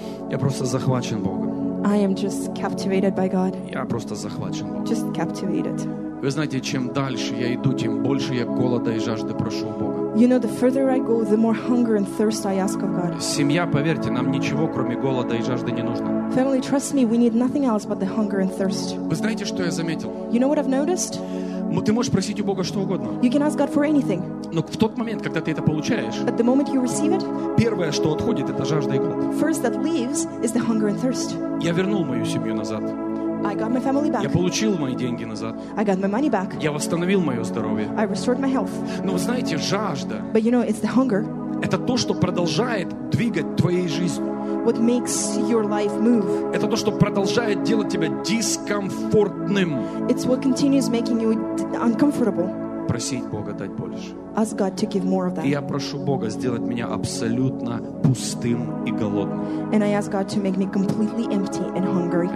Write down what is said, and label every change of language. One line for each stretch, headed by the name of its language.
Russian: Я просто захвачен Богом.
English: I am just captivated by God.
Russian: Я просто захвачен Богом.
English: Just captivated.
Russian: Вы знаете, чем дальше я иду, тем больше я голода и жажды прошу у Бога.
English: You know, the further I go, the more hunger and thirst I ask of God.
Russian: Семья, поверьте, нам ничего, кроме голода и жажды, не нужно.
English: Family, trust me, we need nothing else but the hunger and thirst.
Russian: Вы знаете, что я заметил?
English: You know what I've noticed?
Russian: Ты можешь просить у Бога что угодно.
English: You can ask God for anything.
Russian: Но в тот момент, когда ты это получаешь,
English: but the moment you receive it,
Russian: первое, что отходит, это жажда и голод.
English: First that leaves is the hunger and thirst.
Russian: Я вернул мою семью назад.
English: I got my family back.
Russian: Я получил мои деньги назад.
English: I got my money back.
Russian: Я восстановил мое здоровье.
English: I restored my health.
Russian: Но вы знаете, жажда,
English: but you know, it's the hunger.
Russian: Это то, что продолжает двигать твоей жизнью.
English: What makes your life move?
Russian: Это то, что продолжает делать тебя дискомфортным.
English: It's what continues making you uncomfortable.
Russian: Просить Бога дать больше.
English: Ask God to give more of that.
Russian: И я прошу Бога сделать меня абсолютно пустым и голодным.
English: And I ask God to make me completely empty and hungry.